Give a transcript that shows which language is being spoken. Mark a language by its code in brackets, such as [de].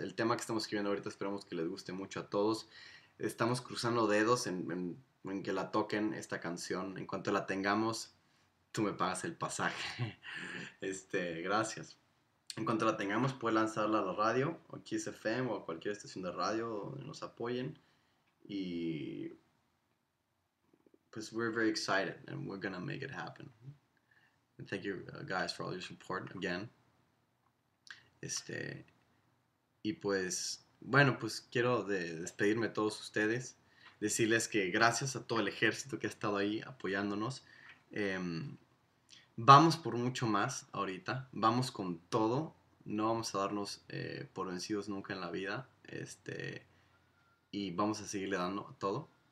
[es] El tema que estamos escribiendo ahorita esperemos que les guste mucho a todos. Estamos cruzando dedos en que la toquen esta canción. En cuanto la tengamos, tú me pagas el pasaje. Gracias. En cuanto la tengamos, puedes lanzarla a la radio, o Kiss FM, o a cualquier estación de radio donde nos apoyen. Y pues [en] we're very excited and we're gonna make it happen. And thank you guys for all your support again. [es] Y pues, bueno, pues quiero despedirme de todos ustedes, decirles que gracias a todo el ejército que ha estado ahí apoyándonos. Vamos por mucho más ahorita, vamos con todo, no vamos a darnos por vencidos nunca en la vida, y vamos a seguirle dando todo.